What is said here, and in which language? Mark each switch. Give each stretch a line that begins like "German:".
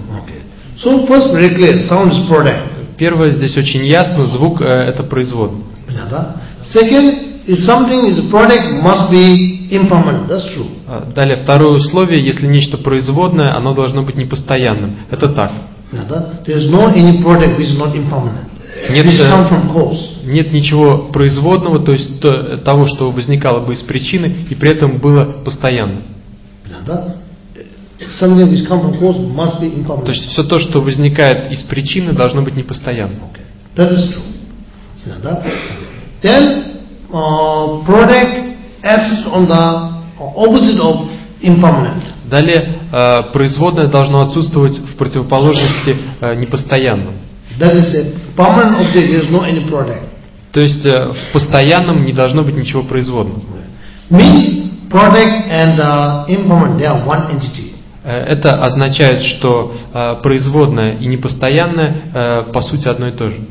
English: Okay. So first very clear, sound is product.
Russian: Первое здесь очень ясно: звук это производный. Понятно?
English: Second, if something is product, must be impermanent. That's true.
Russian: Далее второе условие: если нечто производное, оно должно быть непостоянным. Это так. Понятно?
English: There is no any product which is not impermanent.
Russian: Нет,
English: come from cause.
Russian: Нет ничего производного, то есть того, что возникало бы из причины и при этом было постоянно.
English: Something which comes from cause must be impermanent.
Russian: То есть все то, что возникает из причины, должно быть непостоянным.
English: Okay. That is true. Then product acts on the opposite of impermanent.
Russian: Далее производное должно отсутствовать в противоположности непостоянному.
English: That is it. Permanent object there is no any product.
Russian: То есть в постоянном не должно быть ничего производного.
English: Means product and impermanent they are one entity.
Russian: Это означает, что производное и непостоянное по сути одно и то же.